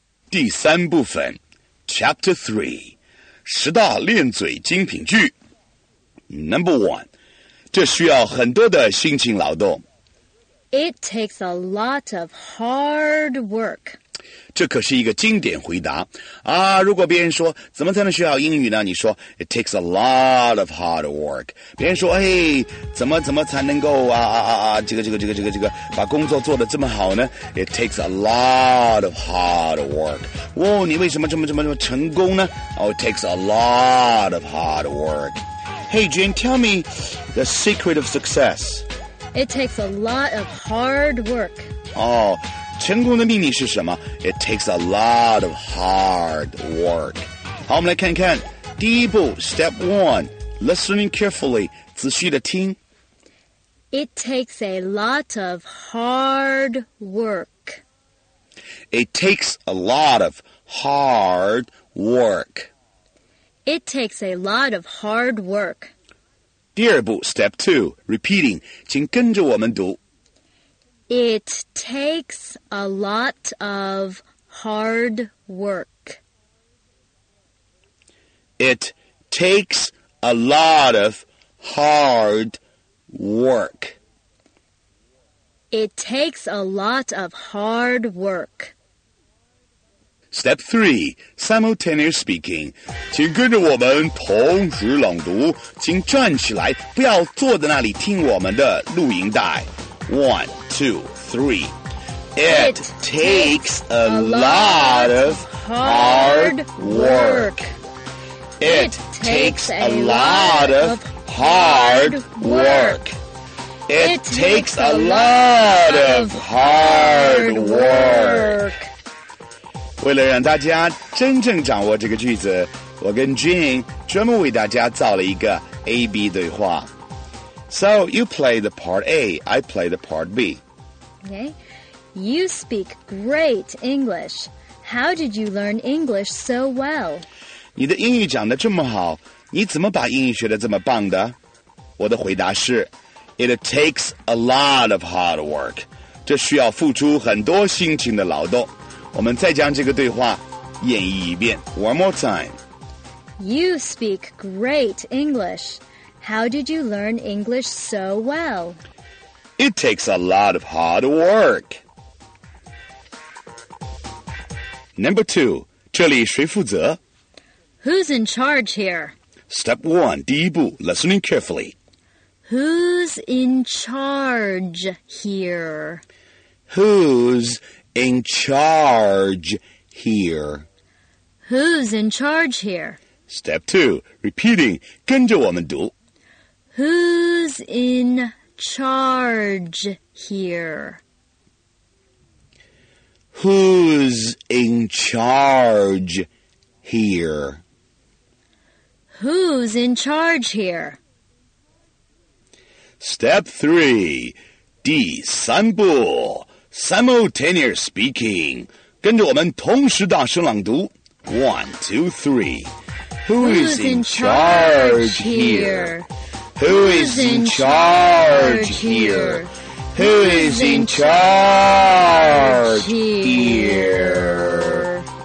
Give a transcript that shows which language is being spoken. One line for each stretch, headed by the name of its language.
Chinese: 第三部分 Chapter 3 十大练嘴精品句 Number 1 这需要很多的辛勤劳动
English: It takes a lot of hard work.
Chinese: 这可是一个经典回答啊！如果别人说怎么才能学好英语呢？你说
English: It takes a lot of hard work.
Chinese: 别人说哎，怎么才能够这个把工作做得这么好呢 ？
English: It takes a lot of hard work.
Chinese: 哦，你为什么这么成功呢
English: ？Oh, it takes a lot of hard work. Hey, Jane, tell me the secret of success. It takes a lot of hard work.
Chinese: 哦，成功的秘密是什么
English: ？It takes a lot of hard work.
Chinese: 好，我们来看看第一步 ，
English: Step One, listening carefully,
Chinese: 仔细的听。
English: It takes a lot of hard work. It takes a lot of hard work. It takes a lot of hard work.
Chinese: 第二步 ,
English: step two, repeating,
Chinese: 请跟着我们读。
English: It takes a lot of hard work. It takes a lot of hard work. It takes a lot of hard work. Step 3, Simultaneous Speaking.
Chinese: 请跟着我们同时朗读，请站起来，不要坐在那里听我们的录音带。
English: One, two, three. It takes a lot of hard work. It takes a lot of hard work. It takes a lot of hard work.
Chinese: 为了让大家真正掌握这个句子，我跟 Jean 专门为大家造了一个 A-B 对话。
English: So, you play the part A, I play the part B. Okay. You speak great English. How did you learn English so well?
Chinese: 你的英语讲得这么好，你怎么把英语学得这么棒的？我的回答是
English: It takes a lot of hard work.
Chinese: 这需要付出很多辛勤的劳动。我们再将这个对话演绎一遍
English: One more time. You speak great English. How did you learn English so well? It takes a lot of hard work. Number 2,
Chinese: 这里谁负责?
English: Who's in charge here? Step 1,
Chinese: 第一步,
English: listening carefully. Who's in charge here? Who's in charge here? Who's in charge here? Step 2, repeating,
Chinese: 跟着我们读。
English: Who's in charge here? Who's in charge here? Who's in charge here? Step 3,
Chinese: 第三步,
English: simultaneous speaking.
Chinese: 跟着我们同时大声朗读。
English: One, two, three. Who's in charge here? Who is in charge here? Who is in charge here?